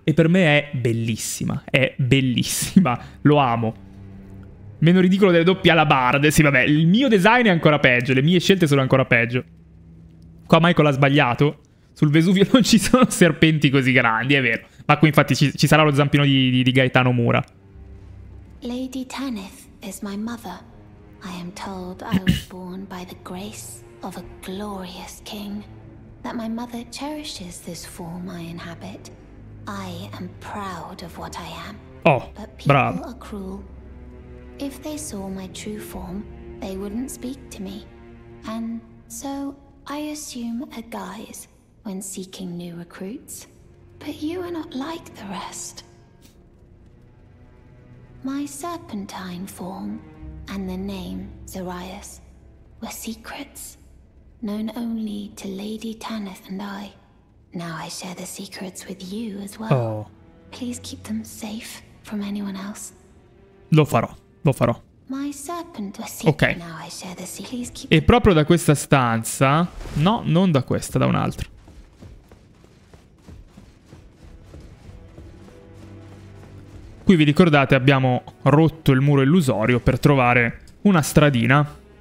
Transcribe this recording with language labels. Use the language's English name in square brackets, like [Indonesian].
[Italian] E per me è bellissima. È bellissima. Lo amo. meno ridicolo delle doppie alabarde. Sì, vabbè, il mio design è ancora peggio, le mie scelte sono ancora peggio. Qua Michael ha sbagliato. Sul Vesuvio non ci sono serpenti così grandi, è vero. Ma qui infatti ci sarà lo zampino di Gaetano Mura. [English] Lady Tanith is my mother. I am told I was born by the grace of a glorious king. That my mother cherishes this form I inhabit. I am proud of what I am. Oh, but people [Italian] bravo. [English] Are cruel. If they saw my true form, they wouldn't speak to me. And so I assume a guise when seeking new recruits. But you are not like the rest. My serpentine form and the name Zarius were secrets known only to Lady Tanith and I. Now I share the secrets with you as well. Oh. Please keep them safe from anyone else. [Italian] Lo farò, lo farò. [English] My serpent was secret. Okay. Now I share the secrets. [Italian] E proprio da questa stanza? No, non da questa, da un'altra. Qui vi ricordate abbiamo rotto il muro illusorio per trovare una stradina.